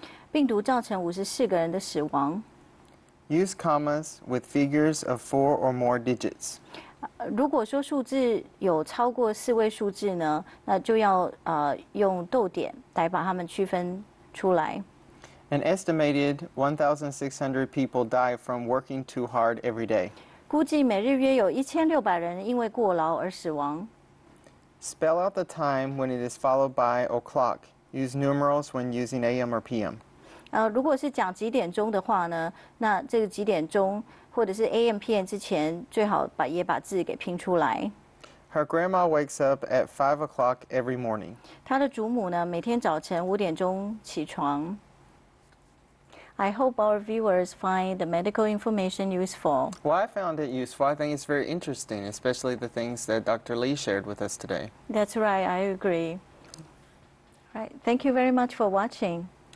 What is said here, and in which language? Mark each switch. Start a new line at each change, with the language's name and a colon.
Chinese: 病毒造成54个人的死亡。
English: Use commas with figures of 4 or more digits.
Chinese: 如果说数字有超过四位数字呢，那就要用逗点来把它们区分出来。
English: An estimated 1,600 people die from working too hard every day.
Chinese: 估计每日约有1,600人因为过劳而死亡。
English: Spell out the time when it is followed by o'clock. Use numerals when using a.m. or p.m.
Chinese: 如果是讲几点钟的话呢，那这个几点钟或者是 AM PM 之前，最好把字给拼出来。
English: Her grandma wakes up at 5 o'clock every morning.
Chinese: 她的祖母呢，每天早晨五点钟起床。
English: I hope our viewers find the medical information useful. Well, I found it useful. I think it's very interesting, especially the things that Dr. Lee shared with us today. That's right. I agree. Right. Thank you very much for watching.